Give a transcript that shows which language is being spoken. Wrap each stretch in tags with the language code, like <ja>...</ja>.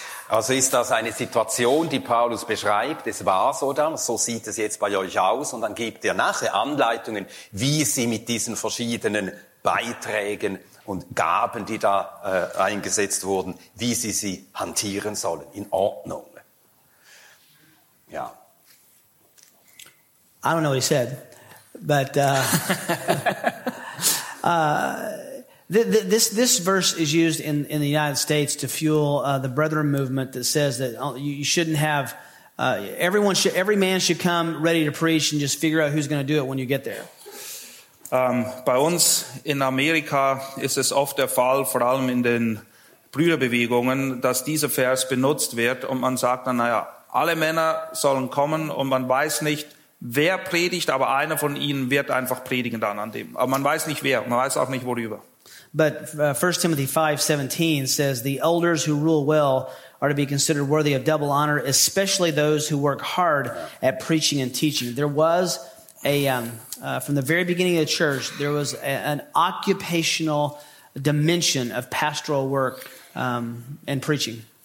<de>Also ist das eine Situation, die Paulus beschreibt, es war so dann, so sieht es jetzt bei euch aus, und dann gibt er nachher Anleitungen, wie sie mit diesen verschiedenen Beiträgen und Gaben, die da eingesetzt wurden, wie sie sie hantieren sollen, in Ordnung. Ja.</de> <en>I don't know what he said, but this verse is used in the United States to fuel the brethren movement that says that you shouldn't have every man should come ready to preach and just figure out who's going to do it when you get there.</en> <de>Bei uns in Amerika ist es oft der Fall, vor allem in den Brüderbewegungen, dass dieser Vers benutzt wird und man sagt dann, naja, alle Männer sollen kommen und man weiß nicht, wer predigt, aber einer von ihnen wird einfach predigen dann an dem. Aber man weiß nicht wer, man weiß auch nicht worüber.</de> <en>But 1 Timothy 5:17 says the elders who rule well are to be considered worthy of double honor, especially those who work hard at preaching and teaching. There was from the very beginning of the church, there was an occupational dimension of pastoral work and preaching.</en>